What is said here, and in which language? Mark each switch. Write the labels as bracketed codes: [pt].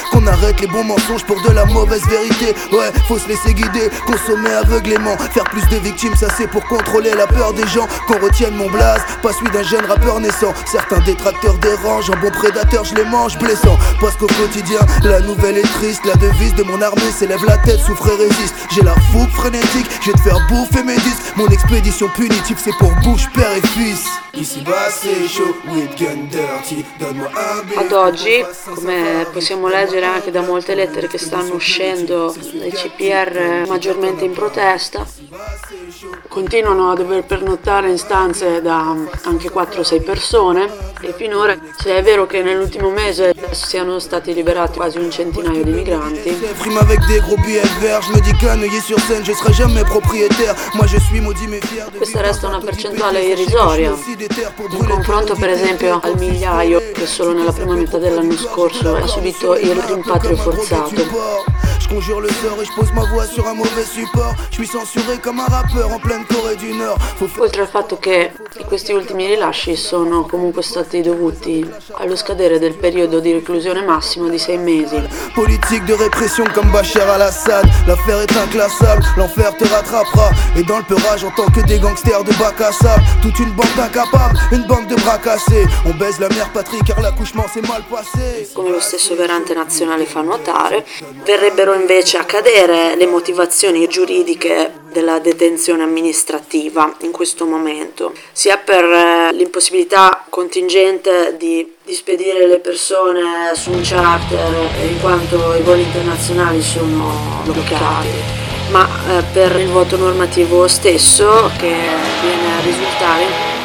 [fr] qu'on arrête les bons mensonges pour de la mauvaise vérité, ouais, faut se laisser guider, consommer aveuglément, faire plus de victimes, ça c'est pour contrôler la peur des gens, qu'on retienne mon blaze, pas celui d'un jeune rappeur naissant, certains détracteurs dérangent, un bon prédateur je les mange blessant. Parce qu'au quotidien, la nouvelle est triste. La devise de mon armée s'élève la tête, souffre et résiste. J'ai la fougue frénétique, je vais te faire bouffer mes disques. Mon expédition punitive, c'est pour bouche, père et fils. Ici bas c'est chaud, [en] with gun dirty. [fr] Donne-moi un bif. [it] Ad oggi, come possiamo leggere anche da molte lettere che stanno uscendo dai CPR maggiormente in protesta, continuano a dover pernottare in stanze da anche 4-6 persone. E finora, se è vero che nell'ultimo mese siano stati liberati quasi un centinaio di migranti. [fr] Prima avec des gros billets verts, je me dis canoyer sur scène, je serai jamais propriétaire. Moi je suis maudit mais fier. [it] Questa resta una percentuale irrisoria in confronto, per esempio, al migliaio che solo nella prima metà dell'anno scorso ha subito il rimpatrio forzato. [fr] Conjure le sort et je pose ma voix sur un mauvais support. Je suis censuré comme un rappeur en pleine Corée du Nord. [it] Oltre al fatto che questi ultimi rilasci sono comunque stati dovuti allo scadere del periodo di reclusione massimo di 6 mesi. [fr] Politique de répression comme Bachar al-Assad. L'affaire est inclassable, l'enfer te rattrapera. Et dans le peurage, j'entends que des gangsters de bac à sable. Toute une bande incapable, une bande de bras cassés. On baise la mère patrie car l'accouchement s'est mal passé. [it] Come lo stesso garante nazionale fa notare, verrebbero invece a cadere le motivazioni giuridiche della detenzione amministrativa in questo momento, sia per l'impossibilità contingente di spedire le persone su un charter in quanto i voli internazionali sono bloccati, ma per il vuoto normativo stesso che viene a risultare